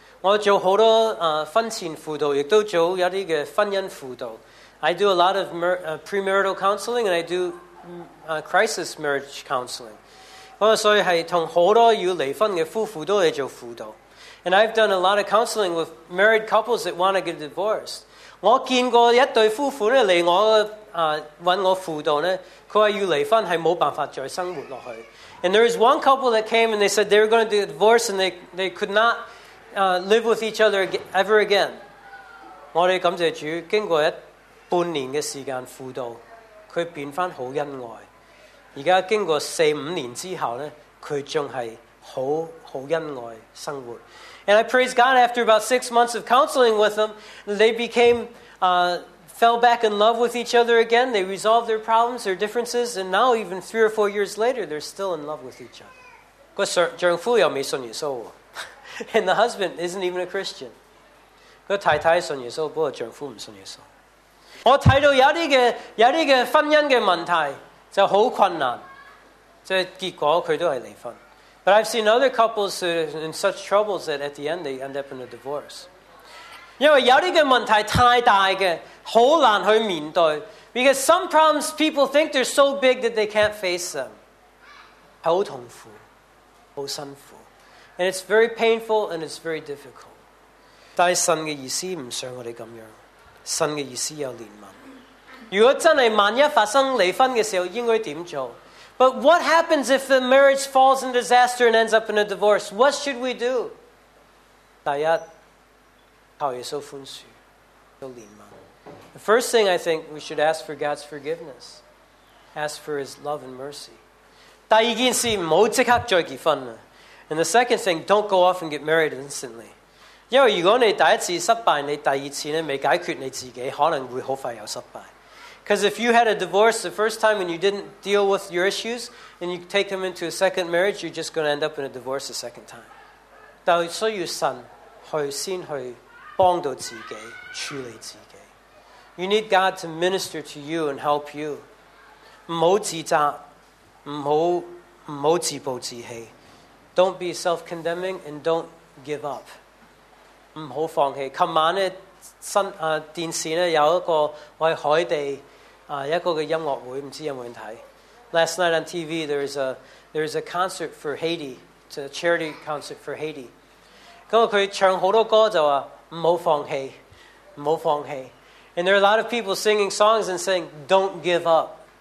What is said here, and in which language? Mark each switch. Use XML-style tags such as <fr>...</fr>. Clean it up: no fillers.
<yue>我做好多婚前辅导，亦都做一啲嘅婚姻辅导。</yue> <en>I do a lot of premarital counseling, and I do crisis marriage counseling.</en> <yue>所以系同好多要离婚嘅夫妇都嚟做辅导。</yue> <en>And I've done a lot of counseling with married couples that want to get divorced.</en> <yue>我见过一对夫妇咧嚟我揾我辅导咧，佢话要离婚系冇办法再生活落去。</yue> <en>And there is one couple that came and they said they were going to get divorced and they could not live with each other ever again.</en> <yue>我哋感谢主，经过一半年嘅时间辅导，佢变翻好恩爱。而家经过四五年之后咧，佢仲系好恩爱生活。</yue> <en>And I praise God. After about 6 months of counseling with them, they became fell back in love with each other again. They resolved their problems, their differences, and now even 3 or 4 years later, they're still in love with each other.</en> <yue>个丈夫又未信耶稣</yue> <en>，and the husband isn't even a Christian.</en> <yue>个太太信耶稣，不过丈夫唔信耶稣。我睇到有啲嘅婚姻嘅问题就好困难，即系结果佢都系离婚。</yue> <en>But I've seen other couples in such troubles that at the end they end up in a divorce.</en> <yue>因为有啲嘅问题太大嘅，好难去面对。</yue> <en>Because some problems people think they're so big that they can't face them.</en> <yue>好痛苦，好辛苦。</yue> <en>And it's very painful and it's very difficult.</en> <yue>但系神嘅意思唔想我哋咁样。神嘅意思有怜悯。如果真系万一发生离婚嘅时候，应该点做 ？</yue> <en>But what happens if the marriage falls in disaster and ends up in a divorce? What should we do?</en> <yue>第一，靠耶稣宽恕，有怜悯。</yue> <en>The first thing I think we should ask for God's forgiveness, ask for His love and mercy.</en> <yue>第二件事，唔好即刻再结婚啦。</yue> <en>And the second thing, don't go off and get married instantly.</en> <yue>因为如果你第一次失败，你第二次咧未解决你自己，可能会好快又失败。</yue> <en>Because if you had a divorce the first time and you didn't deal with your issues and you take them into a second marriage, you're just going to end up in a divorce a second time.</en> <yue>但所以神去先去帮到自己，处理自己。</yue> <en>You need God to minister to you and help you.</en> <yue>唔好自责，唔好自暴自弃。</yue> <en>Don't be self-condemning and don't give up.</en> <yue>唔好放棄。琴晚咧，電視咧有一個我喺海地一個嘅音樂會，唔知有冇人睇。</yue> <en>Last night on TV there is a concert for Haiti, it's a charity concert for Haiti。</en> <yue>咁佢唱好多歌就話唔好放棄，唔好放棄。</yue> <en>And there are a lot of people singing songs and saying don't give up,</en>